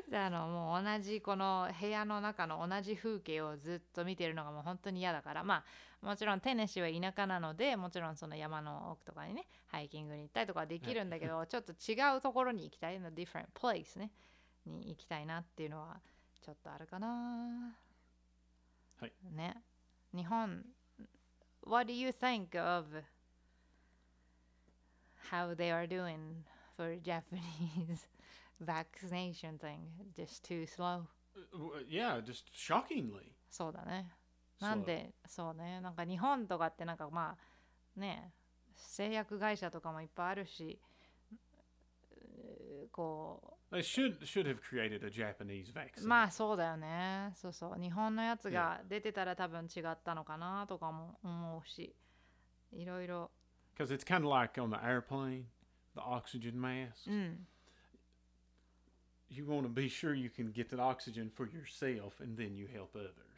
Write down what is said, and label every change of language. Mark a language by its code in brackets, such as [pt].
[ja] もう同じこの部屋の中の同じ風景をずっと見てるのがもう本当に嫌だから、まあもちろんテネシーは田舎なので、もちろんその山の奥とかにねハイキングに行ったりとかできるんだけど、ちょっと違うところに行きたい、 [en] in a different place [ja] ね、に行きたいなっていうのはちょっとあるかな。 [en] ね、日本、What do you think of how they are doing for Japanese vaccination thing? Just too slow? Yeah, just shockingly. [ja] そうだね。なんで、そうね。なんか日本とかってなんかまあ、ね、製薬会社とかもいっぱいあるし、こう。 [en] They should have created a Japanese vaccine. [ja] まあそうだよね。そうそう。日本のやつが出てたら多分違ったのかなとかも思うし、いろいろ。 [en] Because it's kind of like on the airplane, the oxygen mask. You want to be sure you can get the oxygen for yourself and then you help others.